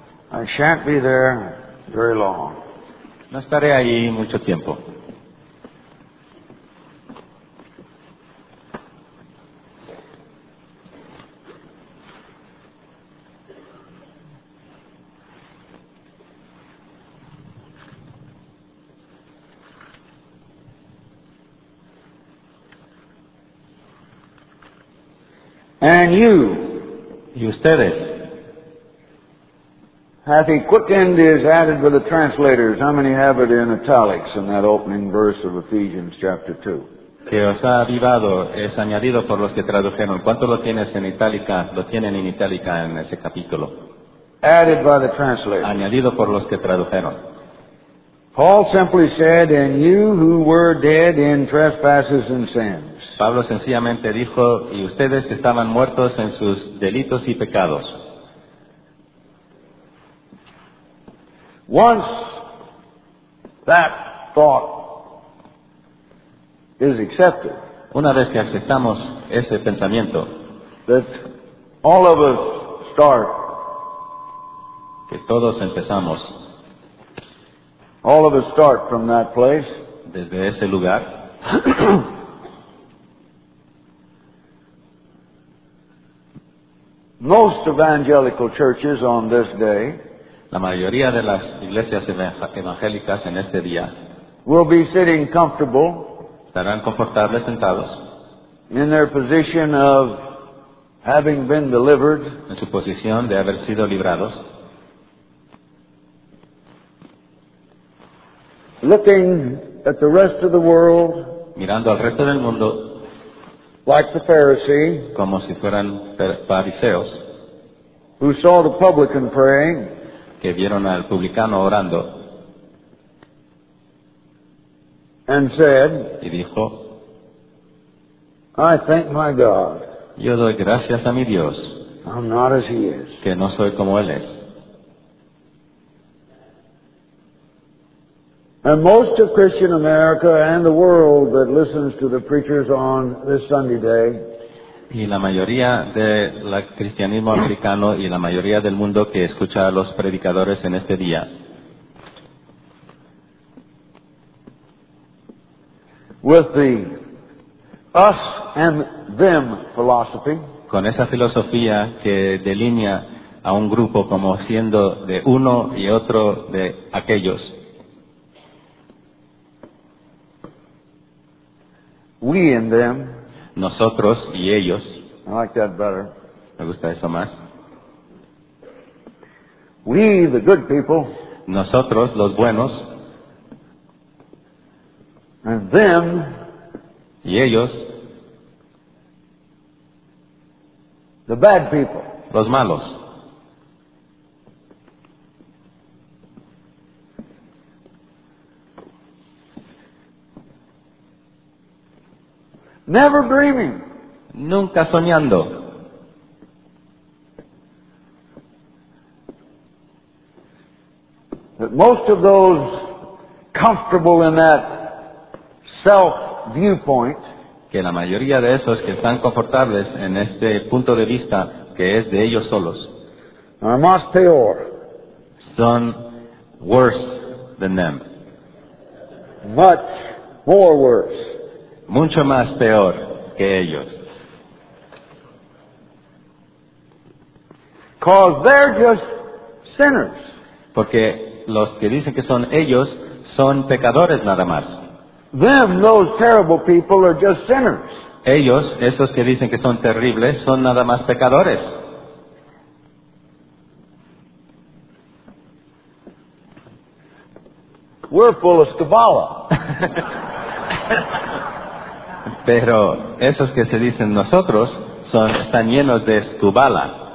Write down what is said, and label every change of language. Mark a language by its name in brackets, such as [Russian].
[English] I shan't be there very long. [Spanish] No estaré ahí mucho tiempo. [English] And you, [Spanish] y ustedes, [English] hath he quickened is added with the translators. How many have it in italics in that opening verse of Ephesians chapter 2? [Spanish] Que os ha avivado es añadido por los que tradujeron. ¿Cuánto lo tienes en itálica? Lo tienen en itálica en ese capítulo. [English] Added by the translators. [Spanish] Añadido por los que tradujeron. [English] Paul simply said, "And you who were dead in trespasses and sins." [Spanish] Pablo sencillamente dijo, y ustedes estaban muertos en sus delitos y pecados. [English] Once that thought is accepted, [Spanish] una vez que aceptamos ese pensamiento, [English] that all of us start, [Spanish] que todos empezamos, [English] all of us start from that place, [Spanish] desde ese lugar, [English] most evangelical churches on this day, [Spanish] la mayoría de las iglesias evangélicas en este día, [English] will be sitting comfortable, [Spanish] estarán confortables sentados, [English] in their position of having been delivered, [Spanish] en su posición de haber sido librados, [English] looking at the rest of the world, [Spanish] mirando al resto del mundo, [English] like the Pharisee, [Spanish] como si fueran fariseos, [English] who saw the publican praying, [Spanish] que vieron al publicano orando, [English] and said, [Spanish] y dijo, [English] I thank my God, [Spanish] yo doy gracias a mi Dios, [English] I'm not as he is, [Spanish] que no soy como él es. [English] And most of Christian America and the world that listens to the preachers on this Sunday day, [Spanish] y la mayoría del cristianismo americano y la mayoría del mundo que escucha a los predicadores en este día, [English] with the us and them philosophy, [Spanish] con esa filosofía que delinea a un grupo como siendo de uno y otro de aquellos, [English] we and them, [Spanish] nosotros y ellos, [English] I like that better, [Spanish] me gusta eso más, [English] we the good people, [Spanish] nosotros los buenos, [English] and them, [Spanish] y ellos, [English] the bad people, [Spanish] los malos, [English] never dreaming, [Spanish] nunca soñando, [English] that most of those comfortable in that self viewpoint, [Spanish] que la mayoría de esos que están confortables en este punto de vista que es de ellos solos, [English] are much [Spanish] peor, son [English] worse than them, much more worse, [Spanish] mucho más peor que ellos. [English] Cause they're just sinners. [Spanish] Porque los que dicen que son ellos son pecadores nada más. [English] Them, those terrible people, are just sinners. [Spanish] Ellos, esos que dicen que son terribles, son nada más pecadores. [English] We're full of skabala. [Spanish] Pero esos que se dicen nosotros son, están llenos de escubala.